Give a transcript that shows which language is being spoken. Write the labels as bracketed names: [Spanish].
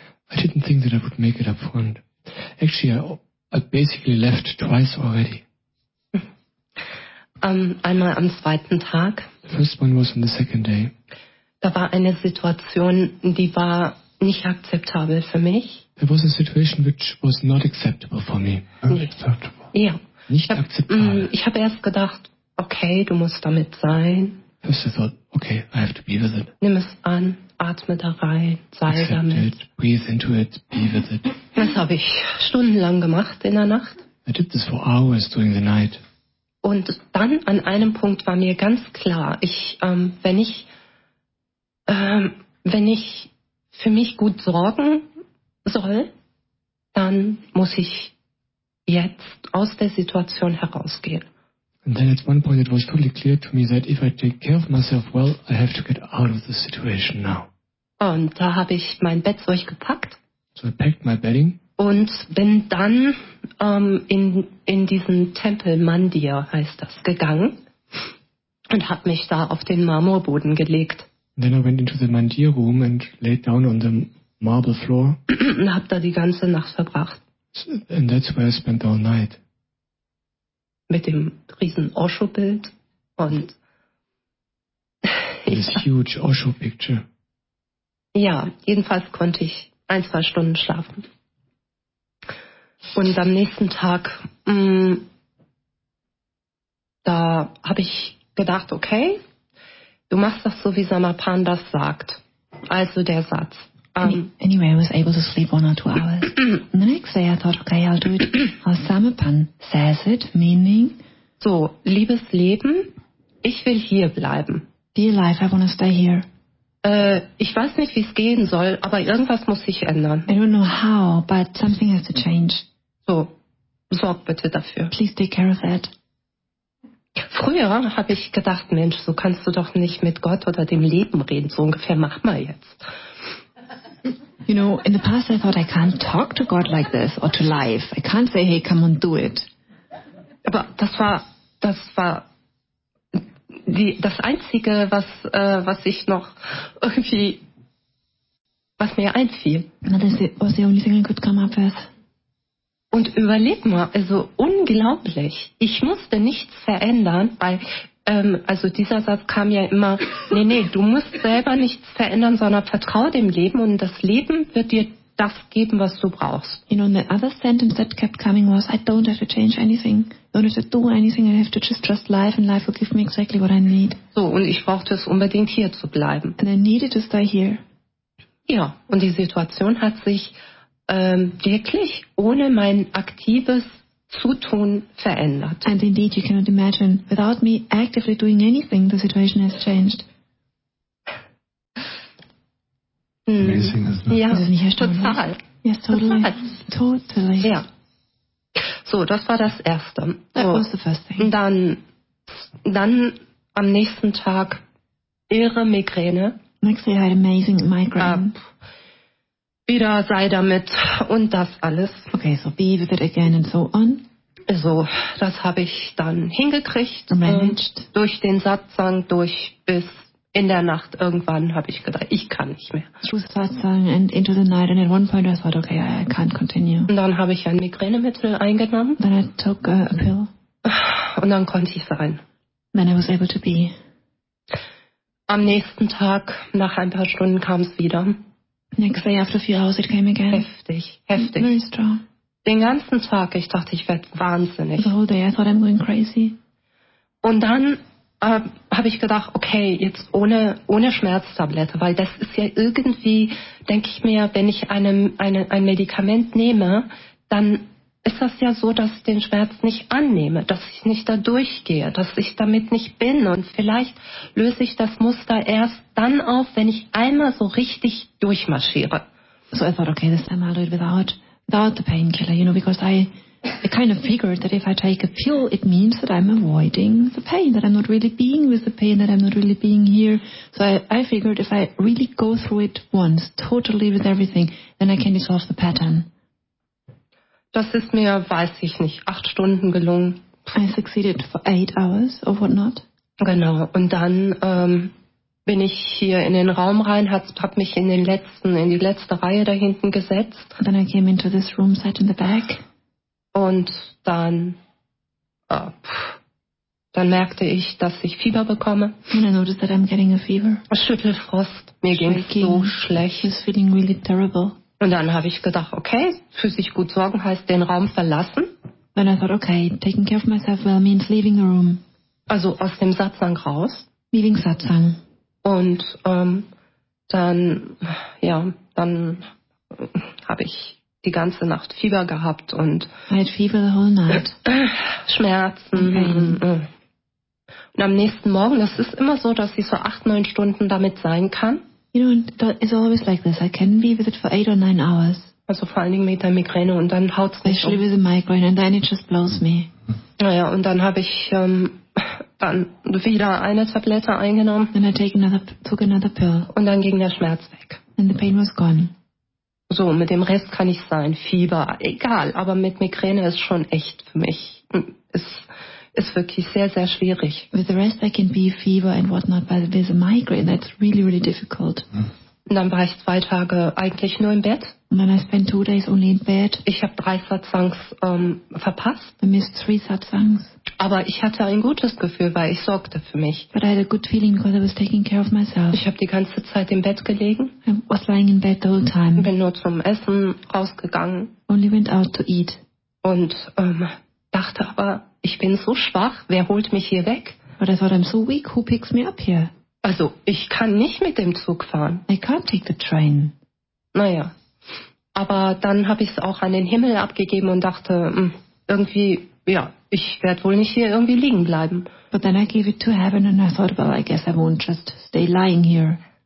[English] I didn't think that I would make it up front. Actually, I basically left twice already. [German] Einmal am zweiten Tag. [English] The first one was on the second day. [German] Da war eine Situation, die war nicht akzeptabel für mich. [English] There was a situation which was not acceptable for me. Unacceptable. [German] Ja. Nicht akzeptabel. Ich habe erst gedacht, okay, du musst damit sein. [English] First I thought, okay, I have to be with it. [German] Nimm es an, atme da rein, sei [English] Accept [German] damit. [English] It, breathe into it, be with it. [German] Das habe ich stundenlang gemacht in der Nacht. [English] I did this for hours during the night. [German] Und dann an einem Punkt war mir ganz klar, wenn ich für mich gut sorgen soll, dann muss ich jetzt aus der Situation herausgehen. [English] And then at one point it was totally clear to me that if I take care of myself well, I have to get out of the situation now. [German] Und da habe ich mein Bettzeug gepackt. [English] So I packed my bedding. [German] Und bin dann in diesen Tempel Mandir, heißt das, gegangen und habe mich da auf den Marmorboden gelegt. [English] And then I went into the Mandir room and laid down on the marble floor. [German] Und habe da die ganze Nacht verbracht. [English] And that's where I spent all night. [German] Mit dem riesen Osho-Bild und [English] this huge Osho-Picture. [German] Ja, jedenfalls konnte ich ein, zwei Stunden schlafen. Und am nächsten Tag, da habe ich gedacht, okay, du machst das so, wie Samapan das sagt. Also der Satz. [English] Anyway, I was able to sleep 1 or 2 hours. And the next day I thought, okay, I'll do it how Samapan says it, meaning... [German] So, liebes Leben, ich will hier bleiben. [English] Dear life, I want to stay here. [German] Ich weiß nicht, wie es gehen soll, aber irgendwas muss sich ändern. [English] I don't know how, but something has to change. [German] So, sorg bitte dafür. [English] Please take care of that. [German] Früher habe ich gedacht, Mensch, so kannst du doch nicht mit Gott oder dem Leben reden. So ungefähr, mach mal jetzt. [English] You know, in the past I thought I can't talk to God like this or to life. I can't say, hey, come on, do it. [German] Aber das war das Einzige, was ich noch irgendwie, was mir einfiel. [English] And that was the only thing I could come up with. [German] Und überleg mal, also unglaublich, ich musste nichts verändern, weil... Also dieser Satz kam ja immer, nee, du musst selber nichts verändern, sondern vertrau dem Leben und das Leben wird dir das geben, was du brauchst. [English] You know, the other sentence that kept coming was, I don't have to change anything, don't have to do anything, I have to just trust life and life will give me exactly what I need. [German] So, und ich brauchte es unbedingt hier zu bleiben. [English] And I needed to stay here. [German] Ja, und die Situation hat sich wirklich ohne mein aktives Zutun verändert. [English] And indeed, you cannot imagine, without me actively doing anything, the situation has changed. Amazing, isn't it? [German] Total. [English] Yes, totally. Totally. [German] Ja. So, das war das Erste. [English] That was the first thing. [German] Dann am nächsten Tag irre Migräne. [English] Next day I had amazing migraine. [German] Wieder sei damit und das alles. [English] Okay, so be with it again and so on. [German] So, das habe ich dann hingekriegt. [English] Managed. [German] Durch den Satsang, durch bis in der Nacht irgendwann habe ich gedacht, ich kann nicht mehr. [English] Through the Satsang and into the night and at one point I thought, okay, I can't continue. [German] Und dann habe ich ein Migränemittel eingenommen. [English] Then I took a pill. [German] Und dann konnte ich sein. [English] Then I was able to be. [German] Am nächsten Tag, nach ein paar Stunden, kam es wieder. [English] Next day after a few hours it came again. [German] Heftig, heftig. [English] Very strong. [German] Den ganzen Tag, ich dachte, ich werde wahnsinnig. [English] The whole day, I thought I'm going crazy. [German] Und dann habe ich gedacht, okay, jetzt ohne Schmerztablette, weil das ist ja irgendwie, denke ich mir, wenn ich ein Medikament nehme, dann ist das ja so, dass ich den Schmerz nicht annehme, dass ich nicht da durchgehe, dass ich damit nicht bin. Und vielleicht löse ich das Muster erst dann auf, wenn ich einmal so richtig durchmarschiere. [English] So I thought, okay, this time I'll do it without the painkiller, you know, because I kind of figured that if I take a pill, it means that I'm avoiding the pain, that I'm not really being with the pain, that I'm not really being here. So I figured if I really go through it once, totally with everything, then I can dissolve the pattern. [German] Das ist mir, weiß ich nicht, 8 Stunden gelungen. [English] I succeeded for 8 hours or whatnot. [German] Genau, und dann bin ich hier in den Raum rein, hab mich in die letzte Reihe da hinten gesetzt. [English] And then I came into this room, sat in the back. [German] Und dann, dann merkte ich, dass ich Fieber bekomme. [English] And I noticed that I'm getting a fever. [German] Schüttelfrost, mir ging es so schlecht. [English] It's feeling really terrible. [German] Und dann habe ich gedacht, okay, für sich gut sorgen heißt den Raum verlassen. [English] Then I thought, okay, taking care of myself well means leaving the room. [German] Also aus dem Satsang raus. [English] Leaving Satsang. [German] Und dann, ja, dann habe ich die ganze Nacht Fieber gehabt und [English] I had fever the whole night. [German] Schmerzen. Und am nächsten Morgen, das ist immer so, dass ich so 8-9 Stunden damit sein kann. [English] You know, it's always like this. I can be with it for 8 or 9 hours. [German] Also vor allen Dingen mit der Migräne und dann haut's mich um. [English] With the migraine and then it just blows me. [German] Naja, und dann habe ich dann wieder eine Tablette eingenommen. [English] And I took another pill. [German] Und dann ging der Schmerz weg. [English] And the pain was gone. [German] So, mit dem Rest kann ich sein. Fieber, egal. Aber mit Migräne ist schon echt für mich. Ist wirklich sehr, sehr schwierig. [English] With the rest I can be fever and whatnot, but with the migraine, that's really, really difficult. [German] Und dann war ich 2 Tage eigentlich nur im Bett. [English] And then I spent 2 days only in bed. [German] Ich habe 3 Satsangs verpasst. [English] I missed 3 Satsangs. [German] Aber ich hatte ein gutes Gefühl, weil ich sorgte für mich. [English] But I had a good feeling because I was taking care of myself. [German] Ich habe die ganze Zeit im Bett gelegen. [English] I was lying in bed the whole time. [German] Bin nur zum Essen rausgegangen. [English] Only went out to eat. [German] Und dachte aber, ich bin so schwach, wer holt mich hier weg? [English] But I thought, I'm so weak, who picks me up here? [German] Also, ich kann nicht mit dem Zug fahren. [English] I can't take the train. [German] Naja, aber dann habe ich es auch an den Himmel abgegeben und dachte, irgendwie, ja, ich werde wohl nicht hier irgendwie liegen bleiben. [English] But then I gave it to heaven and I thought, well, I guess I won't just stay lying here.